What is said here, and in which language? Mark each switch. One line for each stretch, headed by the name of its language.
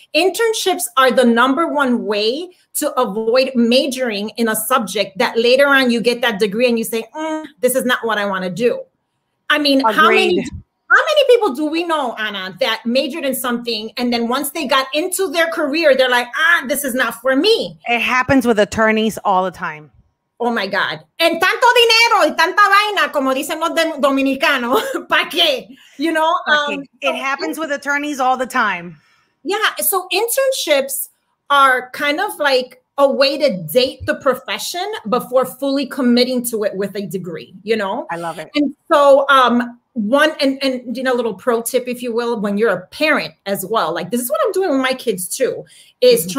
English: Internships are the number one way to avoid majoring in a subject that later on you get that degree and you say, this is not what I want to do. I mean, how many people do we know, Anna, that majored in something and then once they got into their career, they're like, this is not for me. It happens with attorneys all the time. Oh my God.
Spanish: En tanto dinero y tanta vaina, como dicen los dominicanos, ¿pa qué?
English: You know? It happens with attorneys all the time. Yeah. So internships are kind of like a way to date the profession before fully committing to it with a degree, you know? I love it. And so a little pro tip, if you will, when you're a parent as well, like this is what I'm doing with my kids too, is mm-hmm.